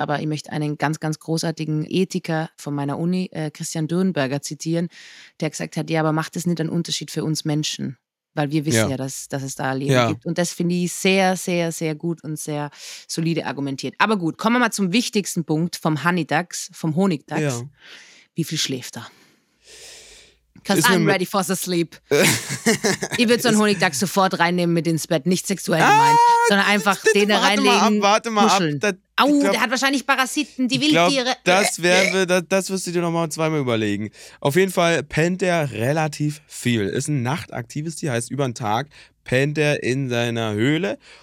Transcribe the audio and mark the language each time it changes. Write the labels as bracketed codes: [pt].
[de] Aber ich möchte einen ganz, ganz großartigen Ethiker von meiner Uni, Christian Dürnberger, zitieren, der gesagt hat, ja, aber macht das nicht einen Unterschied für uns Menschen? Weil wir wissen dass es da Leben gibt. Und das finde ich sehr, sehr, sehr gut und sehr solide argumentiert. Aber gut, kommen wir mal zum wichtigsten Punkt vom Honigdachs, vom Honigdachs. Ja. Wie viel schläft er? [en] Because I'm ready for the sleep. [de] Ich würde so einen Honigdachs sofort reinnehmen mit ins Bett. Nicht sexuell gemeint, sondern einfach den warte reinlegen. Warte mal, glaub, der hat wahrscheinlich Parasiten, die Wildtiere. Das wirst du dir nochmal zweimal überlegen. Auf jeden Fall pennt er relativ viel. Ist ein nachtaktives Tier, heißt über den Tag pennt er in seiner Höhle.